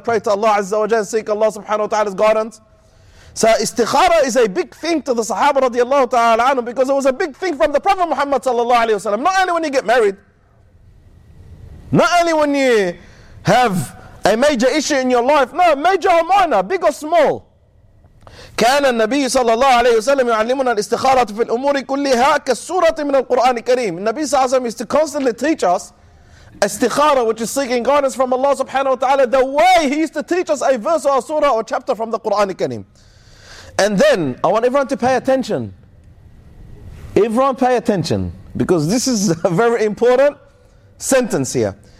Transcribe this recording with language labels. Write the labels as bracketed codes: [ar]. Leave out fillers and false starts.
[en] Pray to Allah azza wa jalla, seek Allah subhanahu wa ta'ala's guidance. So istikhara is a big thing to the Sahaba radiallahu ta'ala anhum, because it was a big thing from the Prophet Muhammad sallallahu alayhi wa sallam. Not only when you get married, not only when you have a major issue in your life, no, major or minor, big or small. [ar] كان النبي صلى الله عليه وسلم يعلمنا الاستخارة في الأمور كلها كالسورة من القرآن الكريم. [en] النبي صلى الله عليه وسلم used to constantly teach us استخارة, which is seeking guidance from Allah subhanahu wa ta'ala, the way he used to teach us a verse or a surah or chapter from the Quran al-Karim. And then I want everyone to pay attention. Everyone pay attention, because this is a very important sentence here.